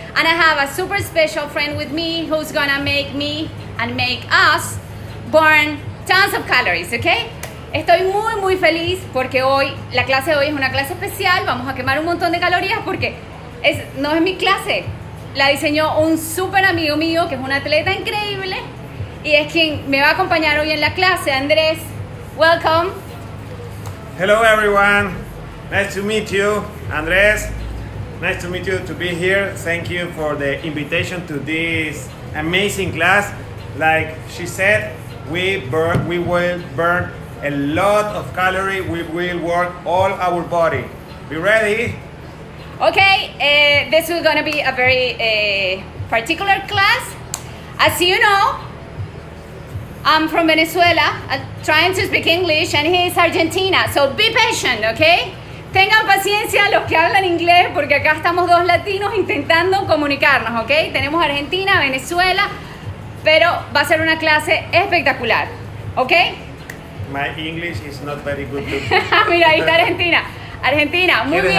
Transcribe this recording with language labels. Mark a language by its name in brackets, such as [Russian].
[English] And I have a super special friend with me who's gonna make me and make us burn tons of calories, okay? [Spanish] Estoy muy, muy feliz porque hoy, la clase de hoy es una clase especial. Vamos a quemar un montón de calorías porque no es mi clase. La diseñó un super amigo mío que es un atleta increíble y es quien me va a acompañar hoy en la clase, Andrés. [English] Welcome. Hello everyone. Nice to meet you, Andrés. Nice to meet you to be here. Thank you for the invitation to this amazing class. Like she said, we will burn a lot of calories. We will work all our body. Be ready. Okay, this is gonna be a very particular class. As you know, I'm from Venezuela, trying to speak English, and he is Argentina. So be patient, okay? [Spanish] Tengan paciencia los que hablan inglés, porque acá estamos dos latinos intentando comunicarnos, okay? Tenemos Argentina, Venezuela, pero va a ser una clase espectacular, okay? [English] My English is not very good. [Spanish] Mira, ahí está Argentina. Argentina, muy bien,